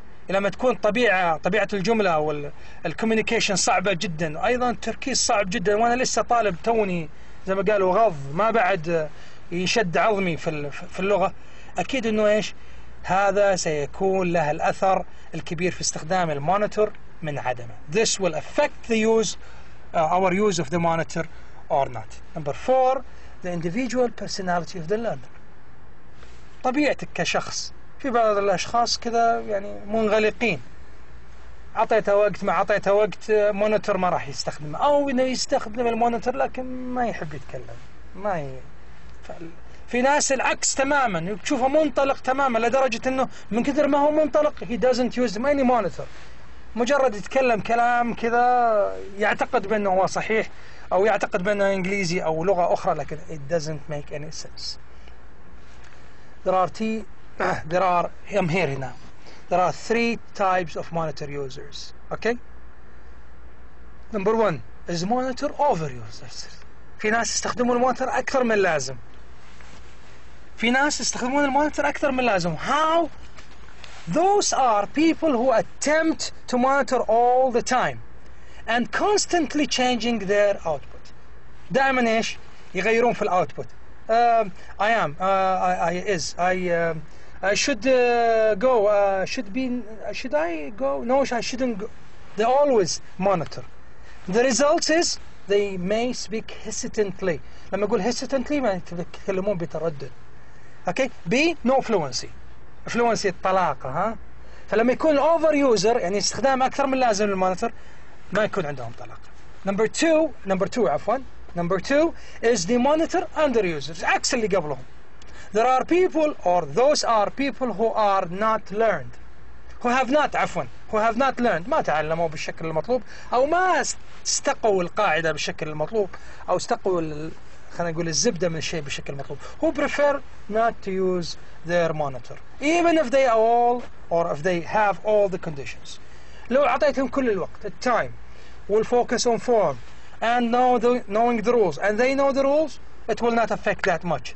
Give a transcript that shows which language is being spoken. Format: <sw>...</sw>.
<ar>لما تكون طبيعة الجملة أو الكوميونيكيشن صعبة جدا أيضا التركيز صعب جدا وأنا لسه طالب توني زي ما قالوا غض ما بعد يشد عظمي في اللغة, أكيد أنه إيش هذا سيكون له الأثر الكبير في استخدام المونيتور من عدمه.</ar> <en>This will affect the our use of the monitor or not. Number four, the individual personality of the learner.</en> <ar>طبيعتك كشخص. في بعض الأشخاص كذا يعني منغلقين, عطيته وقت ما عطيته وقت مونيتور ما راح يستخدمه, أو إنه يستخدم المونيتور لكن ما يحب يتكلم ما ي... في ناس العكس تماما تشوفه منطلق تماما لدرجة انه من كثر ما هو منطلق</ar> <en>he doesn't use any monitor,</en> <ar>مجرد يتكلم كلام كذا يعتقد بانه هو صحيح او يعتقد بانه انجليزي او لغة اخرى لكن</ar> <en>it doesn't make any sense. I'm here now. There are three types of monitor users. Okay. Number one is monitor over users.</en> <ar>في ناس يستخدمون المونيتر أكثر من اللازم. في ناس يستخدمون المونيتر أكثر من اللازم.</ar> <en>How? Those are people who attempt to monitor all the time and constantly changing their output.</en> <ar>دائما إيش يغيرون في الأوتبوت.</ar> <en>I am. I is. I should go. Should I go? No, I shouldn't go. They always monitor. The result is they may speak hesitantly.</en> <ar>لما أقول hesitantly ما يتكلمون بتردد.</ar> <en>Okay. B. No fluency.</en> <ar>Fluency الطلاقة ها. فلما يكون over user يعني استخدام أكثر من لازم للمونيتور ما يكون عندهم طلاقة.</ar> <en>Number two is the monitor under users.</en> <ar>عكس اللي قبلهم.</ar> <en>There are people or those are people who are not learned. Who have not learned.</en> <ar>ما تعلموا بالشكل المطلوب أو ما استقوا القاعدة بالشكل المطلوب أو استقوا خلينا نقول الزبدة من شيء بشكل مطلوب.</ar> <en>Who prefer not to use their monitor. Even if they all or if they have all the conditions.</en> <ar>لو عطيتهم كل الوقت.</ar> <en>The time. We'll focus on form. And knowing the rules, and they know the rules, it will not affect that much.</en>